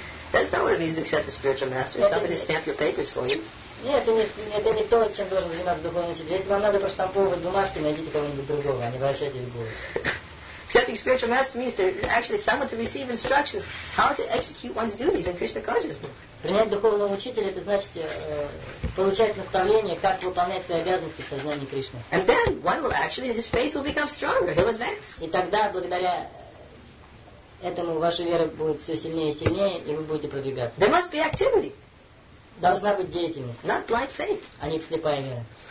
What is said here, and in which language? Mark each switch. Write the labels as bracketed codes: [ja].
[en] That's not what it means to accept the spiritual master. Somebody stamp your papers for you. [ru] Нет, это не то, чем должен заниматься духовный учитель. Если вам надо проштамповывать бумажки, найдите кого-нибудь другого, а не обращайтесь к Гуру. [en] Accepting spiritual master means to actually someone to receive instructions how to execute one's duties in Krishna consciousness. [ru] Принять духовного учителя это значит получать наставление, как выполнять свои обязанности в сознании Кришны. [en] And then one will actually his faith will become stronger. He'll advance. [ru] И тогда благодаря этому ваша вера будет все сильнее и сильнее, и вы будете продвигаться. [en] There must be activity. [ru] Должна быть деятельность. [en] Not blind faith. [ru] А не слепая вера.